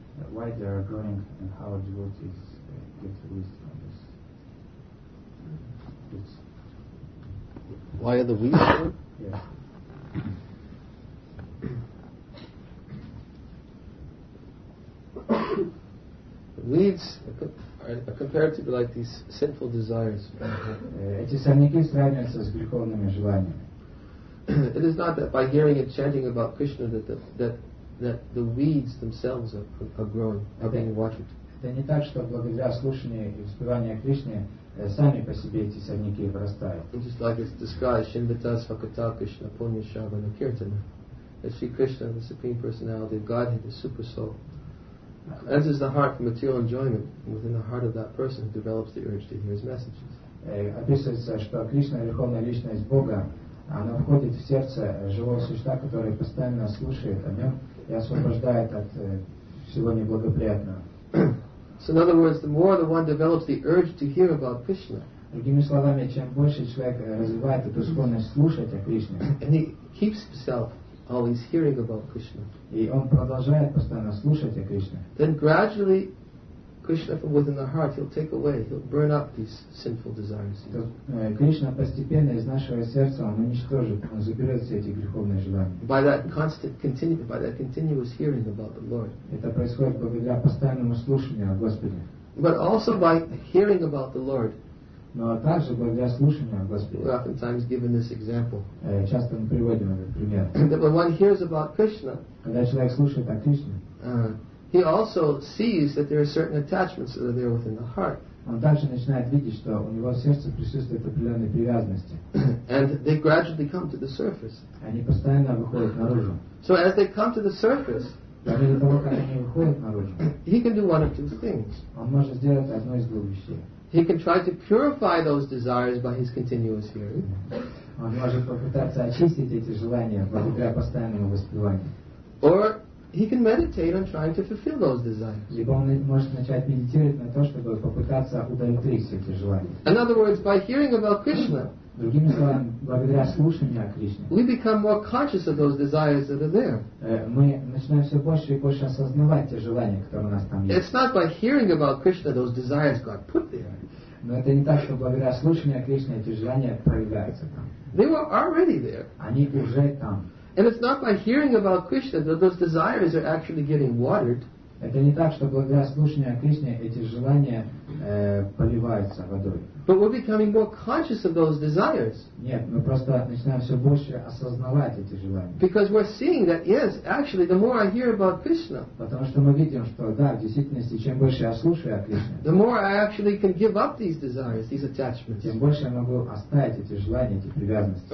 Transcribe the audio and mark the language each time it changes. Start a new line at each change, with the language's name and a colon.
English: Why they are growing and how devotees get the wheat from this? Why are the weeds? Yeah. Weeds are compared to like these sinful desires.
Russian: Эти сорняки сравниваются с греховными желаниями.
English: It is not that by hearing and chanting about Krishna that the weeds themselves are growing, are being watered.
Russian: Это не так, что благодаря слушанию и воспеванию Кришны сами по себе эти сорняки вырастают.
English: Just like it's described, Shinbatas Fakata Krishna Punya Shavana Kirtana. That Sri Krishna, the Supreme Personality of Godhead, the Super Soul, enters the heart for material enjoyment within the heart of that person who develops the urge to hear his messages.
Russian: Описывается, что Кришна, Верховная Личность Бога, она входит в сердце живого существа, которое постоянно слушает о нем и освобождает от всего неблагоприятного.
English: So in other words, the more the one develops the urge to hear about Krishna,
Russian: другими словами, чем больше человек развивает эту склонность слушать о Кришне,
English: and he keeps himself always hearing about Krishna,
Russian: и он продолжает постоянно слушать о Кришне,
English: then gradually Krishna from within the heart he'll take away, he'll burn up these sinful desires.
Russian: Кришна постепенно из нашего сердца он уничтожит, он заберет все эти греховные желания.
English: By that continuous hearing about the Lord.
Russian: Это происходит благодаря постоянному слушанию о Господе.
English: But also by hearing about the Lord.
Russian: Но также благодаря слушанию о Господе.
English: We're oftentimes given this example.
Russian: Часто мы приводим этот пример.
English: That when one hears about Krishna.
Russian: Когда человек слушает о Кришне.
English: He also sees that there are certain attachments that are there within the heart.
Russian: Он также начинает видеть, что у него в сердце присутствуют определенные привязанности.
English: And they gradually come to the surface.
Russian: Они постоянно выходят наружу.
English: So as they come to the surface,
Russian: того, как они выходят наружу,
English: he can do one of two things.
Russian: Он может сделать одно из двух вещей.
English: He can try to purify those desires by his continuous hearing.
Russian: Он может попытаться очистить эти желания благодаря постоянному воспеванию.
English: Or he can meditate on trying to fulfill those desires.
Russian: Либо он может начать медитировать на то, чтобы попытаться удовлетворить эти желания.
English: In other words, by hearing about Krishna,
Russian: другими словами, благодаря слушанию о Кришне,
English: we become more conscious of those desires that are there.
Russian: Мы начинаем все больше и больше осознавать те желания, которые у нас там есть.
English: It's not by hearing about Krishna those desires got put there.
Russian: Но это не так, что благодаря слушанию о Кришне эти желания проявляются там.
English: They were already there.
Russian: Они уже там.
English: And it's not by hearing about Krishna that those desires are actually getting watered.
Russian: Это не так, что благодаря слушанию о Кришне эти желания поливаются водой.
English: But we're becoming more conscious of those desires.
Russian: Нет, мы просто начинаем все больше осознавать эти желания.
English: Because we're seeing that yes, actually, the more I hear about Krishna,
Russian: потому что мы видим, что да, в действительности, чем больше я слушаю о Кришне,
English: the more I actually can give up these desires, these attachments.
Russian: Тем больше я могу оставить эти желания, эти привязанности.